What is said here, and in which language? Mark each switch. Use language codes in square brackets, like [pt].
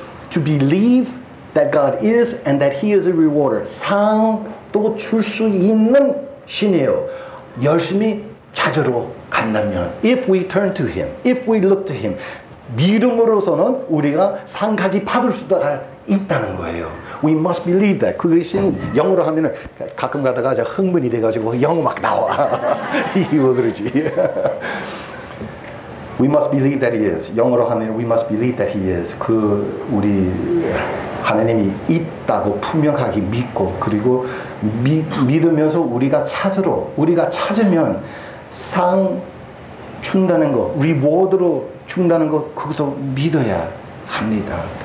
[en] To believe that God is and that He is a rewarder. [ko] 상도 줄 수 있는 신이에요. 열심히 찾으러 간다면 [en] if we turn to him, [ko] if we look to him, 믿음으로서는 우리가 상까지 받을 수가 있다는 거예요. [en] We must believe that. [ko] 그것이 영어로 하면은 가끔 가다가 제가 흥분이 돼가지고 영어 막 나와. 이거 그러지. [en] We must believe that he is. [ko] 영어로 하면 [en] we must believe that he is. [ko] 그 우리 하나님이 있다고 분명하게 믿고 그리고 믿으면서 우리가 찾으러 우리가 찾으면 상 준다는 거 리워드로 준다는 거 그것도 믿어야 합니다.